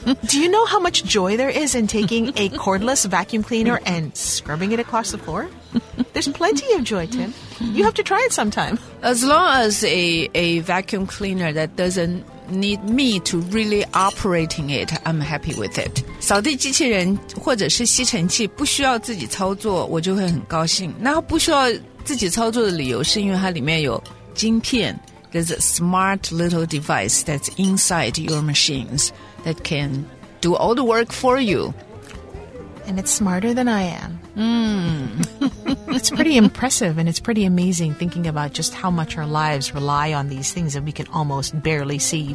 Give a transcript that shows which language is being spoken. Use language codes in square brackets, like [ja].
[en] Do you know how much joy there is in taking a cordless vacuum cleaner and scrubbing it across the floor? There's plenty of joy, Tim. You have to try it sometime. As long as a vacuum cleaner that doesn't need me to really operating it, I'm happy with it. [zh] 扫地机器人或者是吸尘器不需要自己操作，我就会很高兴。那不需要自己操作的理由是因为它里面有晶片。 [en] There's a smart little device that's inside your machines that can do all the work for you. And it's smarter than I am. It's pretty impressive and it's pretty amazing thinking about just how much our lives rely on these things that we can almost barely see.